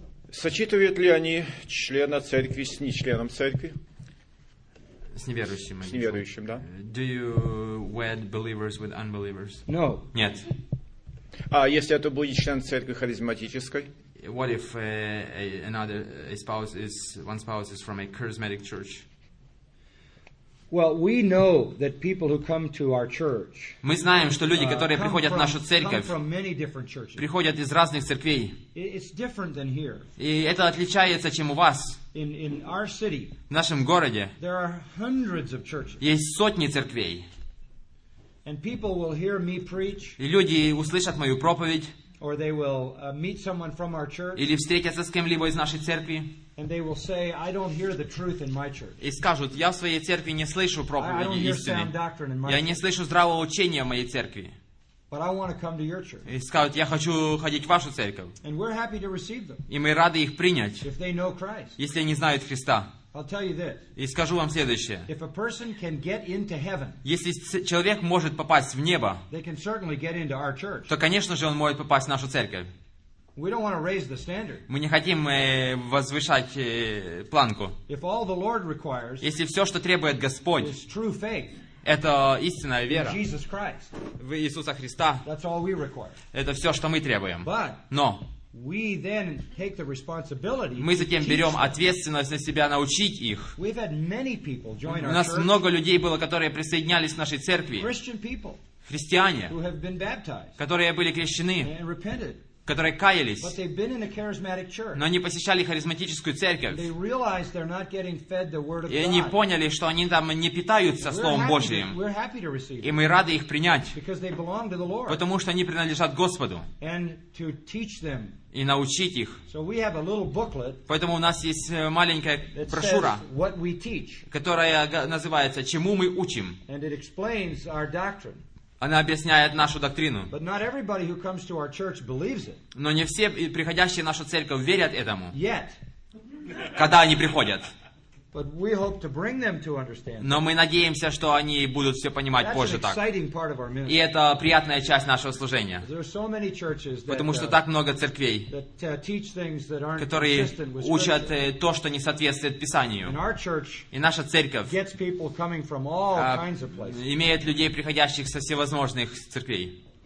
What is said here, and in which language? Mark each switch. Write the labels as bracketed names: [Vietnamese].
[Russian] Сочитывают ли они члена церкви с нечленом церкви? С неверующим. С неверующим, да. [English] Do you wed believers with unbelievers? No. [Russian] Нет. А если это будет член церкви харизматической? [English] What if one spouse is from a charismatic church? Well, we know that people who come to our church. [Russian] Мы знаем, что люди, которые приходят в нашу церковь, приходят из разных церквей. [English] It's different than here. [Russian] И это отличается, чем у вас. [English] In our city. [Russian] В нашем городе. [English] There are hundreds of churches. [Russian] Есть сотни церквей. [English] And people will hear me preach. [Russian] И люди услышат мою проповедь. [English] Or they will meet someone from our church. [Russian] Или встретятся с кем-либо из нашей церкви. [English] And they will say, I don't hear the truth in my church. [Russian] И скажут, я в своей церкви не слышу проповеди истины. [English] I don't hear sound doctrine in my church. [Russian] Я не слышу здравого учения в моей церкви. [English] But I want to come to your church. [Russian] И скажут, я хочу ходить в вашу церковь. [English] And we're happy to receive them. [Russian] И мы рады их принять. [English] If they know Christ. [Russian] Если они знают Христа. [English] I'll tell you this. [Russian] И скажу вам следующее. [English] If a person can get into heaven, [Russian] если человек может попасть в небо, [English] they can certainly get into our church. [Russian] То, конечно же, он может попасть в нашу церковь. [English] We don't want to raise the standard. [Russian] Мы не хотим возвышать планку. [English] If all the Lord requires, [Russian] если все, что требует Господь, [English] is true faith, [Russian] это истинная вера [English] in Jesus Christ, [Russian] в Иисуса Христа, [English] that's all we require. [Russian] Это все, что мы требуем. [English] But, [Russian] но [English] we then take the responsibility. [Russian] Мы затем берем ответственность на себя научить их. [English] We've had many people join our. [Russian] У нас много людей было, которые присоединялись к нашей церкви. [English] Christian people. [Russian] Христиане. [English] Who have been baptized. [Russian] Которые были крещены. [English] And repented. [Russian] Которые каялись. [English] But they've been in a charismatic church. [Russian] Но они посещали харизматическую церковь. [English] They realize they're not getting fed the word of God. [Russian] И они поняли, что они там не питаются Словом Божьим. [English] We're happy to receive. [Russian] И мы рады их принять. [English] Because they belong to the Lord. [Russian] Потому что они принадлежат Господу. [English] And to teach them. [Russian] И научить их. [English] So we have a little booklet. [Russian] Поэтому у нас есть маленькая брошюра, [English] what we teach. [Russian] Которая называется «Чему мы учим». [English] And it explains our doctrine. [Russian] Она объясняет нашу доктрину. [English] But not everybody who comes to our church believes it. [Russian] Но не все приходящие в нашу церковь верят этому. [English] Yet. [Russian] Когда они приходят. [English] But we hope to bring them to understand. [Russian] Но мы надеемся, что они будут все понимать. [English] That's [Russian] позже [English] an exciting part of our ministry. [Russian] И это приятная часть нашего служения. [English] There are so many churches that, [Russian] потому что так много церквей, [English] teach things that aren't [Russian] которые [English] consistent with [Russian] учат то, что не соответствует Писанию. [English] And our church [Russian] и наша церковь [English] gets people coming from all kinds of places. [Russian] Имеет людей, приходящих со всевозможных церквей.